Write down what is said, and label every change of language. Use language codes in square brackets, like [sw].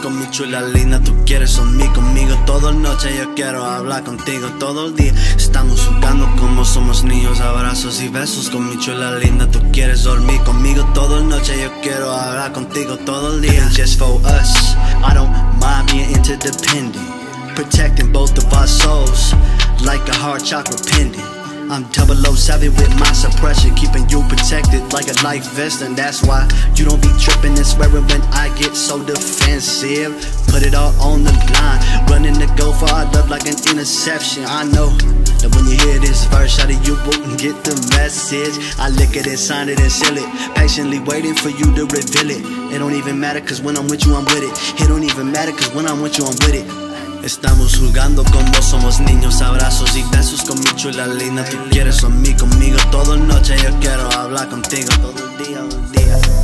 [es] Chula linda, tú quieres dormir conmigo toda la noche, yo quiero hablar contigo todo el día. Estamos jugando como somos niños, abrazos y besos con mi chula linda. Tú quieres dormir conmigo toda la noche, yo quiero hablar contigo todo el día. [en] And just for us, I don't mind being interdependent. Protecting both of our souls like a hard chocolate pendant. I'm 007 with my suppression, keeping you protected like a life vest. And that's why you don't be tripping and swearing when I get so defensive. Put it all on the line, running to go for our love like an interception. I know that when you hear this verse, out of you wouldn't get the message. I lick it and sign it and seal it, patiently waiting for you to reveal it. It don't even matter cause when I'm with you I'm with it. It don't even matter cause when I'm with you I'm with it. [es] Estamos jugando como somos niños, abrazos y besos con mi chula linda. Tú quieres dormir conmigo toda la noche, yo quiero hablar contigo todo el día, todo el día.